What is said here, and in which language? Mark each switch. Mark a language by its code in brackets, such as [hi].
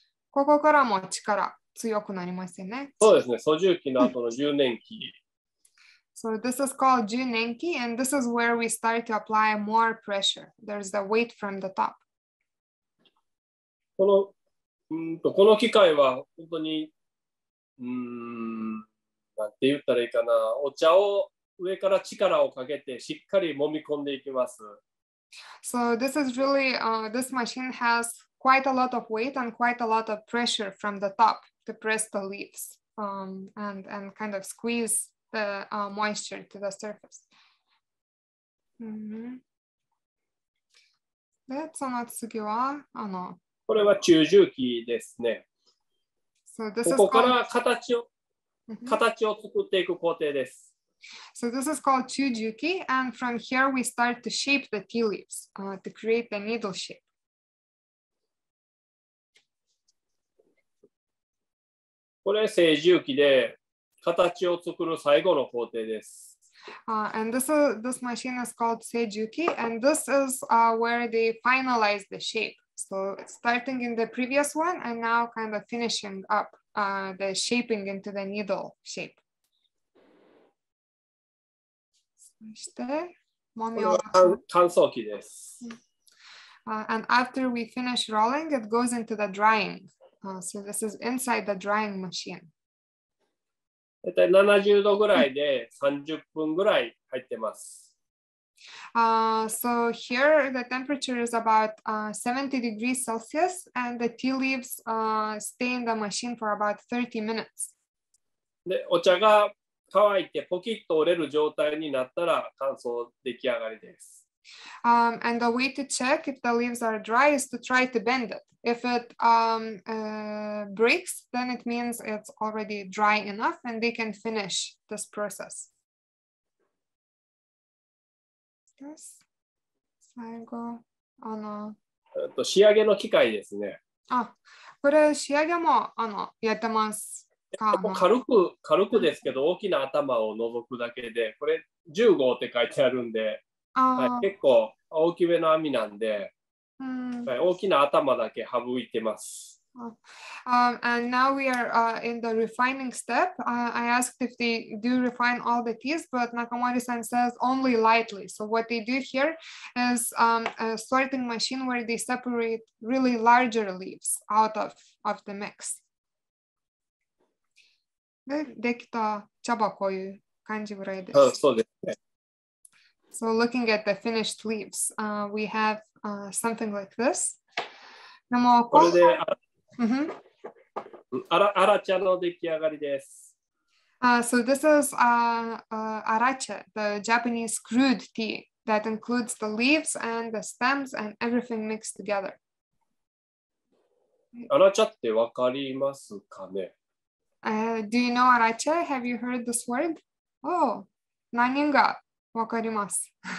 [ja] ここからも力強くなりますよね。そうですね。蘇重機の後の柔軟器。 [en] So this is called Junenki, and this is where we start to apply more pressure. There's the weight from the top. [ja] この機械は本当に、なんて言ったらいいかな、お茶を上から力をかけてしっかり揉み込んでいきます。 [en] So this is really, this machine has quite a lot of weight and quite a lot of pressure from the top to press the leaves and kind of squeeze the moisture to the surface. Mm-hmm. [ja] で、その次は、あの。これは中樹期ですね。 [en] So、this [ja] ここから形を作っていく工程です。 [en] So this is called 中樹期 and from here we start to shape the tea leaves, to create the needle shape. [ja] これ成樹期で形を作る最後の工程です。 [en] And this machine is called Seijuki, and this is where they finalize the shape. So starting in the previous one, and now kind of finishing up the shaping into the needle shape. [ja] そして、もみ終わった。乾燥機です。 [en] And after we finish rolling, it goes into the drying. So this is inside the drying machine. [ja] だいたい70度ぐらいで30分ぐらい入ってます。 [en] So here the temperature is about 70 degrees Celsius and the tea leaves stay in the machine for about 30 minutes. [ja] で、お茶が乾いてポキッと折れる状態になったら乾燥出来上がりです。 [en] And the way to check if the leaves are dry is to try to bend it. If it breaks, then it means it's already dry enough and they can finish this process. This, [ja] 最後、あの、仕上げの機械ですね。あ、これ仕上げも、あの、やってますか？軽くですけど、大きな頭を除くだけで、これ10号って書いてあるんで、結構大きめの網なんで、大きな頭だけ省いてます。 [en] And now we are in the refining step. I asked if they do refine all the teas, but Nakamori-san says only lightly. So what they do here is a sorting machine where they separate really larger leaves out of the mix. [ja] で、できた茶葉こういう感じぐらいです。そうですね。 [en] So looking at the finished leaves, we have something like this. [ja] でもこれで、アラチャの出来上がりです。 [en] So this is アラチャ, the Japanese crude tea that includes the leaves and the stems and everything mixed together. [ja] アラチャってわかりますかね？ [en] Do you know アラチャ?Have you heard this word? [ja] Oh, 何人がわかります。